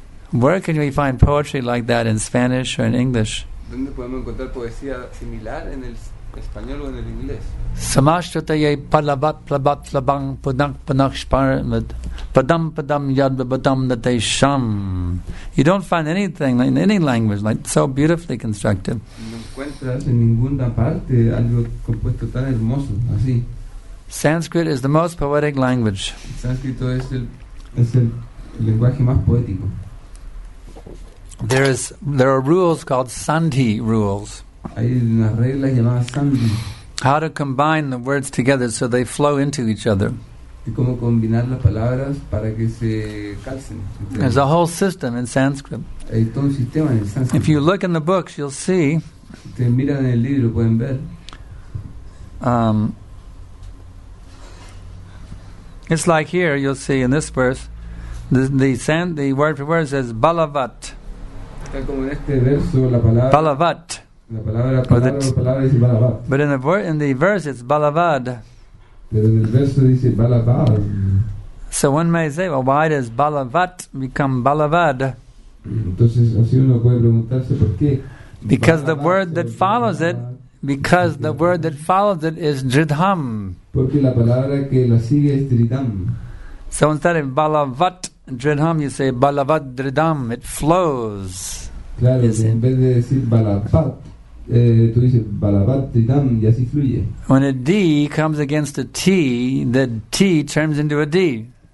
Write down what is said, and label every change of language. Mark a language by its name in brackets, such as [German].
[English] Where can we find poetry like that in Spanish or in English? [Spanish] ¿Dónde podemos encontrar poesía similar en el español o en el inglés? [Sanskrit] Samashvataye palabat plabat labang punak punak sparamad. Padam padam yad badam nate sham. [English] You don't find anything in any language like so beautifully constructed. [Spanish] No encuentras en ninguna parte algo compuesto tan hermoso así. [English] Sanskrit is the most poetic language. [Spanish] Sánscrito es el lenguaje más poético. [English] There are rules called sandhi rules. [Spanish] Hay unas reglas llamadas sandhi. [English] How to combine the words together so they flow into each other. [Spanish] Cómo combinar las palabras para que se calcen. [English] There's a whole system in Sanskrit. [Spanish] Hay todo un sistema en Sanskrit. [English] If you look in the books, you'll see. [Spanish] Si te miran en el libro, pueden ver. [English] It's like here, you'll see in this verse, the word for word says balavat. [Spanish] Está como en este verso la palabra balavat. La palabra palabra dice balavat. [English] But in the verse, it's balavad. [Spanish] Pero en el verso dice balavad. [English] So one may say, well, why does balavat become balavad? [Spanish] Entonces, así uno puede preguntarse, ¿por qué? [English] Because the word that follows it, because the word that follows it is dridham. [Spanish] Porque la palabra que la sigue es dridham. [English] So instead of balavat dridham, you say balavat dridham. It flows. [Spanish] Claro, en vez de decir balavat, tú dices balavat dridham y así fluye. [English] When a D comes against a T, the T turns into a D.